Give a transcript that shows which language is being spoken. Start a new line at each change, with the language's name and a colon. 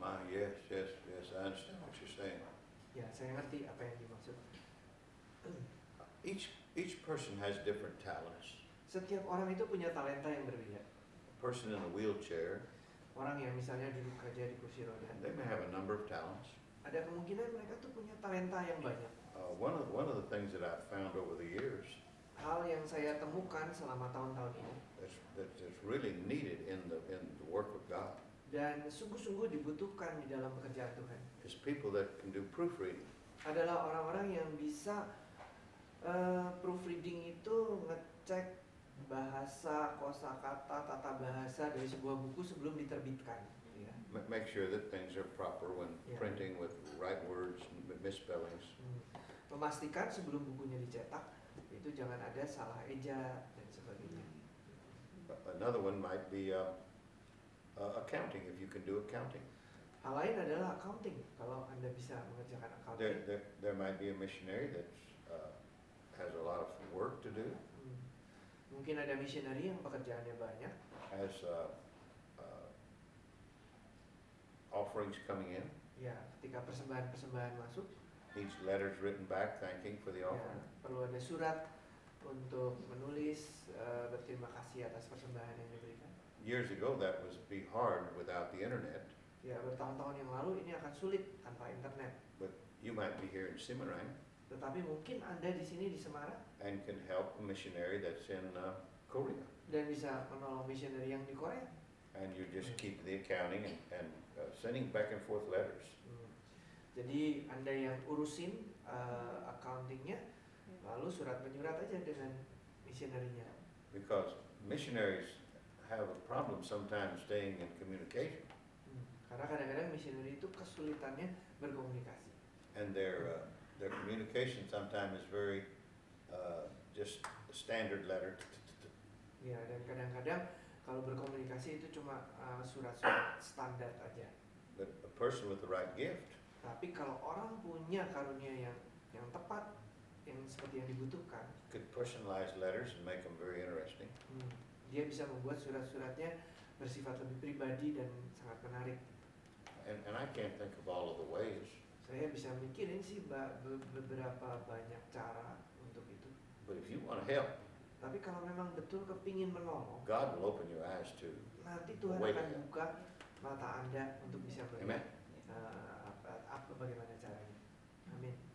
English: Yes, I understand what you're saying.
Indonesian: Yeah, saya ngerti apa yang dimaksud.
English: Each person has different talents.
Indonesian: Setiap orang itu punya talenta yang berbeda.
English: Person in a wheelchair.
Indonesian: Orang yang misalnya duduk kerja di kursi roda.
English: They may have a number of talents.
Indonesian: Ada kemungkinan mereka tuh punya talenta yang banyak.
English: One of the things that I've found over the years.
Indonesian: Hal yang saya temukan selama tahun-tahun ini.
English: That's really needed in the work of God.
Indonesian: Dan sungguh-sungguh dibutuhkan di dalam pekerjaan Tuhan.
English: Is people that can do proofreading.
Indonesian: Adalah orang-orang yang bisa proofreading itu ngecek bahasa, kosakata, tata bahasa dari sebuah buku sebelum diterbitkan. Yeah.
English: Make sure that things are proper when printing with right words, misspellings.
Indonesian: Memastikan sebelum bukunya dicetak itu jangan ada salah eja dan sebagainya.
English: Another one might be accounting. If you can do accounting.
Indonesian: Hal lain adalah accounting. Kalau Anda bisa mengerjakan accounting.
English: There might be a missionary that has a lot of work to do.
Indonesian: Mungkin ada misionari yang pekerjaannya banyak.
English: As offerings coming in.
Indonesian: Ya, ketika persembahan-persembahan masuk.
English: Needs letters written back thanking for the offering. Ya,
Indonesian: perlu ada surat untuk menulis berterima kasih atas persembahan yang diberikan.
English: Years ago that would be hard without the internet.
Indonesian: Ya, bertahun-tahun yang lalu ini akan sulit tanpa internet.
English: But you might be here in Semarang.
Indonesian: Tetapi mungkin Anda di sini di Semarang.
English: And can help a missionary that's in Korea.
Indonesian: Dan bisa menolong missionary yang di Korea.
English: And you just keep the accounting and sending back and forth letters.
Indonesian: Jadi Anda yang urusin accountingnya, lalu surat menyurat aja dengan missionary-nya.
English: Because missionaries have a problem sometimes staying in communication.
Indonesian: Karena kadang-kadang missionary itu kesulitannya berkomunikasi.
English: And their communication sometimes is very just a standard letter.
Indonesian: Ya, dan kadang-kadang kalau berkomunikasi itu cuma surat-surat standar aja.
English: But a person with the right gift.
Indonesian: Tapi kalau orang punya karunia yang tepat, yang seperti yang dibutuhkan.
English: Could personalize letters and make them very interesting.
Indonesian: Dia bisa membuat surat-suratnya bersifat lebih pribadi dan sangat menarik.
English: And I can't think of all of the ways.
Indonesian: Saya bisa mikirin sih beberapa banyak cara untuk itu.
English: But if you want to help,
Indonesian: tapi kalau memang betul kepingin menolong,
English: God will open your eyes to.
Indonesian: Nanti Tuhan akan buka mata Anda untuk bisa beri.
English: Amen.
Indonesian: Apa bagaimana caranya? Amin.